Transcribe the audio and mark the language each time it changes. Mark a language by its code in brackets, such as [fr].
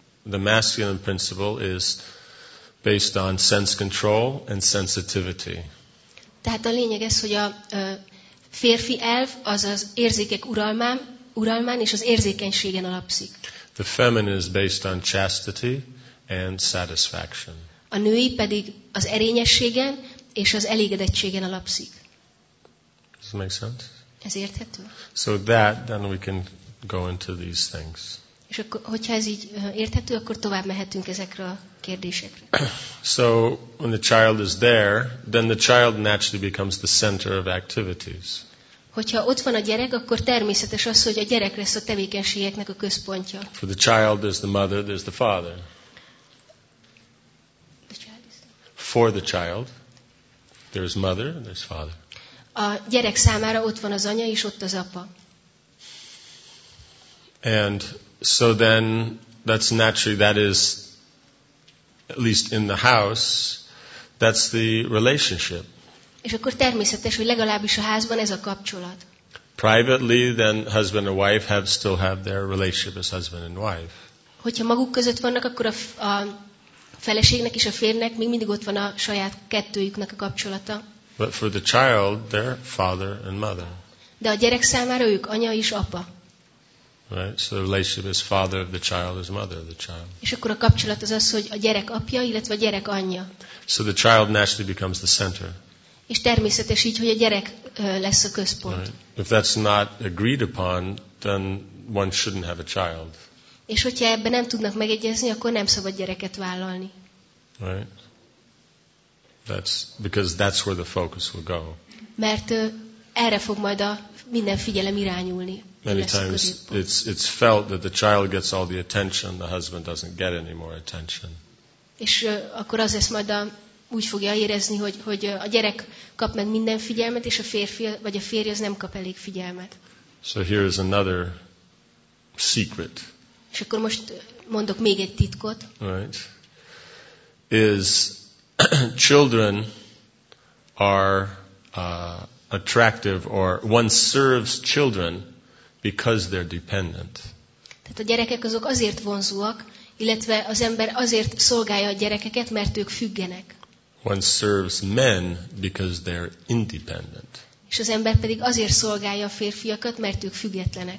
[en] The masculine principle is based on sense control and sensitivity. [hu] Tehát a lényeg ez, hogy a férfi elv az az érzékek uralmán és az érzékenységen alapszik. [en] The feminine is based on chastity and satisfaction. [hu] A női pedig az erényességen és az elégedettségen alapszik. [en] Does that make sense? [hu] Ez érthető? [en] So that, then we can go into these things. [hu] És akkor, hogyha ez így érthető, akkor tovább mehetünk ezekre a kérdésekre. [en] So when the child is there, then the child naturally becomes the center of activities. [hu] Hogyha ott van a gyerek, akkor természetes az, hogy a gyerek lesz a tevékenységeknek a központja. [en] For the child, there's the mother, there's the father. For the child, there's mother, there's father. [hu] A gyerek számára ott van az anya és ott az apa. [en] And so then, that's naturally, that is, at least in the house, that's the relationship. [hu] És akkor természetes, hogy legalábbis a házban ez a kapcsolat. [en] Privately, then husband and wife still have their relationship as husband and wife. [hu] Hogyha maguk között vannak, akkor a feleségnek és a férjnek még mindig ott van a saját kettőjüknek a kapcsolata. [en] But for the child, they're father and mother. [hu] De a gyerek számára ők anya és apa. [en] Right? So the relationship is father of the child is mother of the child. [hu] És akkor a kapcsolat az az, hogy a gyerek apja, illetve a gyerek anyja. [en] So the child naturally becomes the center. [hu] És természetes így, hogy a gyerek lesz a központ. [en] Right? If that's not agreed upon, then one shouldn't have a child. [hu] És hogyha ebben nem tudnak megegyezni, akkor nem szabad gyereket vállalni. [en] Right? Because that's where the focus will go. [hu] Mert erre fog majd a minden figyelem irányulni. [en] Many times it's felt that the child gets all the attention, the husband doesn't get any more attention. [hu] És akkor az lesz majd úgy fogja érezni, hogy a gyerek kap meg minden figyelmet, és a férfi vagy a férj az nem kap elég figyelmet. [en] So here is another secret. [hu] És akkor most mondok még egy titkot. [en] Right. Is children are attractive or one serves children because they're dependent. [hu] Tehát a gyerekek azok azért vonzóak, illetve az ember azért szolgálja a gyerekeket, mert ők függenek. [en] One serves men because they're independent. [hu] És az ember pedig azért szolgálja a férfiakat, mert ők függetlenek.